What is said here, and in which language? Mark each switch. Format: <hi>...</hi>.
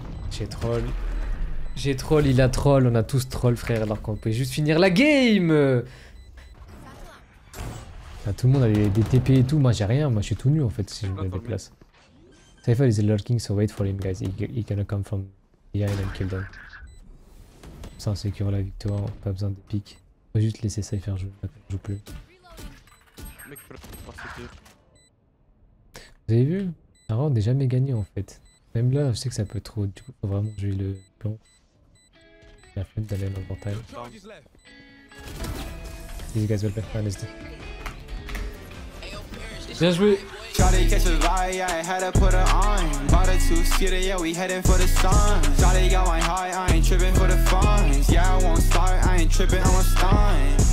<fr>J'ai troll, il a troll, on a tous troll frère alors qu'on peut juste finir la game. Là, tout le monde a des TP et tout, moi j'ai rien, moi je suis tout nu en fait si je me déplace.</fr> <en>Cypher is lurking so wait for him guys, he gonna come from behind and kill them.</en> <fr>Ça on sécure la victoire, pas besoin de pique. Faut juste laisser Cypher jouer, je joue plus. Vous avez vu? La round n'est jamais gagnée en fait. Même là je sais que ça peut trop, du coup faut vraiment jouer le plan. La flemme d'aller à l'avantail.</fr> <en>These guys will be fine, let's do.</en> <fr>Bien joué!</fr> <en>Charlie catch a vibe, I had to put her on. Bought a two seater, yeah, we heading for the sun. Charlie got my high, I ain't tripping for the funds. Yeah, I won't start, I ain't tripping, I'm a stun.</en>